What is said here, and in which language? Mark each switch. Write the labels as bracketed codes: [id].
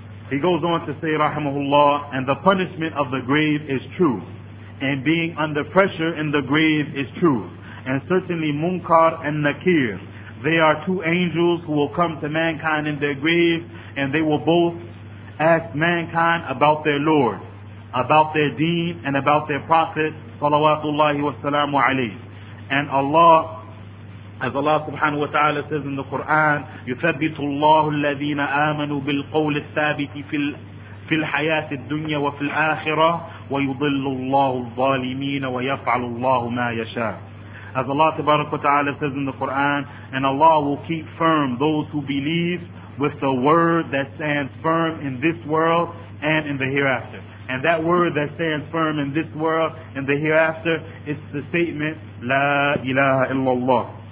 [en] He goes on to say, rahimahullah, and the punishment of the grave is true, and being under pressure in the grave is true, and certainly Munkar and Nakir, they are two angels who will come to mankind in their grave, and they will both ask mankind about their Lord, about their deen, and about their Prophet, salawatullahi wa salamu alayhi. And Allah, as Allah subhanahu wa ta'ala says in the Quran, [ar] يُثَبِّتُ اللَّهُ الَّذِينَ آمَنُوا بِالْقَوْلِ الثَّابِتِ فِي الْحَيَاةِ الدُّنْيَا وَفِي الْآخِرَةِ وَيُضِلُّ اللَّهُ الظَّالِمِينَ وَيَفْعَلُ اللَّهُ مَا يَشَاءُ. [en] As Allah tabarak wa ta'ala says in the Quran, and Allah will keep firm those who believe with the word that stands firm in this world and in the hereafter. And that word that stands firm in this world and the hereafter, it's the statement, La ilaha illallah.